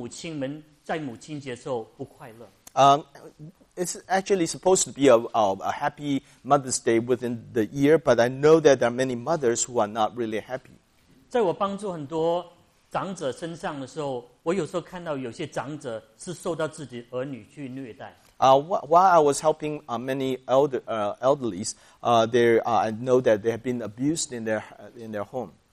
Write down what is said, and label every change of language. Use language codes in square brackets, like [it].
[zh] 我们知道每年一年一度是一个很快乐母亲节，可是呢，在很多人身上，我经验底下，很多母亲们在母亲节时候不快乐。 [en] It's actually supposed to be a happy Mother's Day within the year, but I know that there are many mothers who are not really happy. [zh] 在我帮助很多长者身上的时候，我有时候看到有些长者是受到自己儿女去虐待。 [en] While I was helping many elderlies, I know that they have been abused in their home.